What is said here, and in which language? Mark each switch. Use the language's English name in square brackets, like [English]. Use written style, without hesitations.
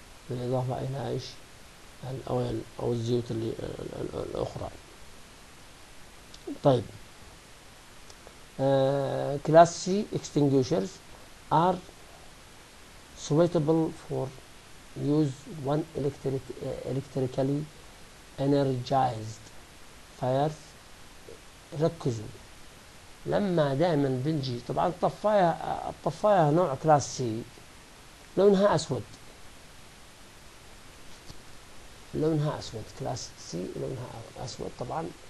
[Arabic] بالإضافة إلى إيش؟ الأويل أو الزيوت اللي الأخرى. [English] طيب class C extinguishers are suitable for use when electrically energized fires. [Arabic] ركزوا، لما دائما بنجي طبعا الطفاية نوع كلاس سي لونها أسود، لونها أسود، كلاس سي لونها أسود طبعا.